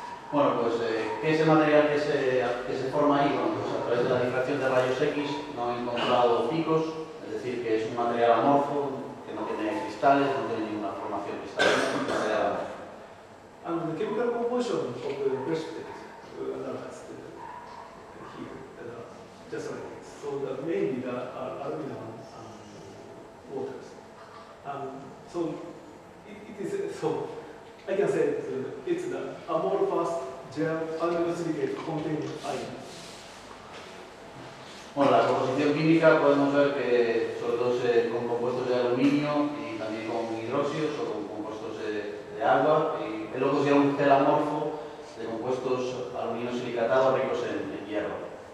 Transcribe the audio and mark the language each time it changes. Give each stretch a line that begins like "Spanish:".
Spanish: Bueno, pues, ¿qué es el material que se forma ahí? Bueno, pues a través de la difracción de rayos X no he encontrado picos, es decir, que es un material amorfo, que no tiene cristales, no tiene ninguna formación cristalina, es un material amorfo.
English: And the chemical composition of the precipitate analyzed here, just like this. So, that mainly are aluminum and waters. So, it is so. I can say that it's the amorphous gel aluminum silicate containing iron.
Spanish: Bueno, la composición química podemos ver que sobre todo se con compuestos de aluminio y también con hidróxidos o con compuestos de agua y luego sería un gel amorfo de compuestos aluminio silicatados ricos en hierro.